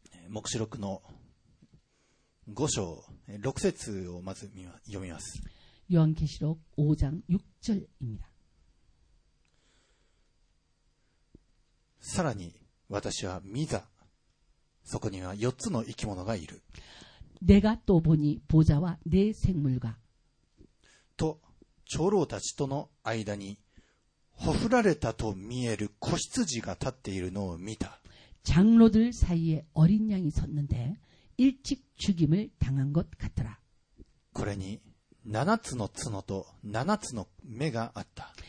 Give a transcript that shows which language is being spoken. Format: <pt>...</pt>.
<ja>黙示録の5章、6節をまず読みます。</ja> <ko>ヨハン계시록5장6절입니다。</ko> <ja>さらに私は見た。そこには4つの生き物がいる。</ja> <ko>내가또보니보좌와내생물과</ko> <ja>と長老たちとの間にほふられたと見える子羊が立っているのを見た。</ja> <ko>장로들사이에어린양이섰는데일찍죽임을당한것같더라。</ko> <ja>これに7つの角と7つの目があった。</ja>